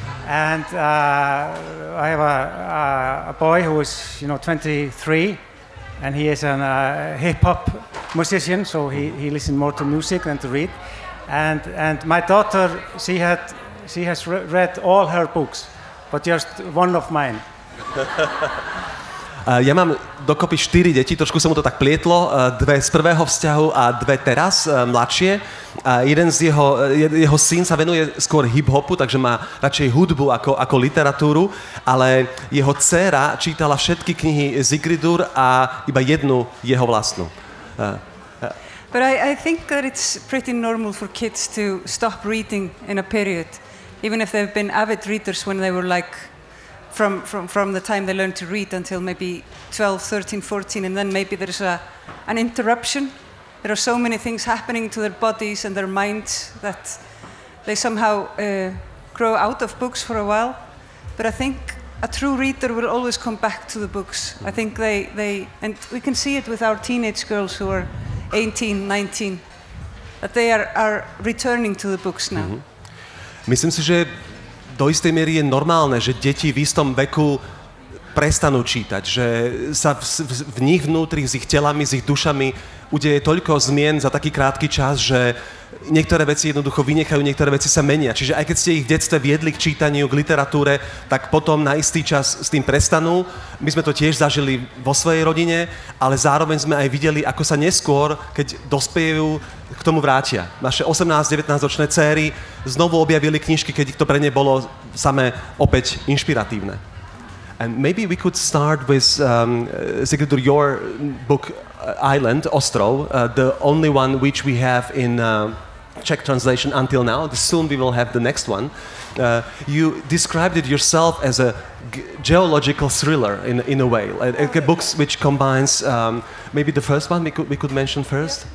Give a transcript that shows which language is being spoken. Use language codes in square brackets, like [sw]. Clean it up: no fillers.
[en] And I have a boy who is, you know, 23, and he is a hip-hop musician, so he listens more to music than to read. And my daughter, she has read all her books, but just one of mine. [sk] Ja mám dokopy 4 deti, trošku sa mu to tak plietlo, dve z prvého vzťahu a dve teraz, mladšie. Jeden z jeho syn sa venuje skôr hip-hopu, takže má radšej hudbu ako literatúru, ale jeho dcéra čítala všetky knihy Sigridur a iba jednu jeho vlastnú. [en] But I think that it's pretty normal for kids to stop reading in a period, even if they've been avid readers when they were like from the time they learn to read until maybe 12, 13, 14, and then maybe there's an interruption. There are so many things happening to their bodies and their minds that they somehow grow out of books for a while. But I think a true reader will always come back to the books. I think they, and we can see it with our teenage girls who are 18, 19, that they are returning to the books now. [sk] Myslím si, že do istej miery je normálne, že deti v istom veku prestanú čítať, že sa v nich vnútri, s ich telami, s ich dušami udeje toľko zmien za taký krátky čas, že niektoré veci jednoducho vynechajú, niektoré veci sa menia. Čiže aj keď ste ich v detstve viedli k čítaniu, k literatúre, tak potom na istý čas s tým prestanú. My sme to tiež zažili vo svojej rodine, ale zároveň sme aj videli, ako sa neskôr, keď dospejú, k tomu vrátia. Naše 18-19 ročné céry znovu objavili knižky, keď to pre ne bolo same opäť inšpiratívne. [en] And maybe we could start with Sigridur, your book Island, Ostrov, the only one which we have in Czech translation until now. Soon we will have the next one. You described it yourself as a geological thriller in a way, like a book which combines maybe the first one we could mention first.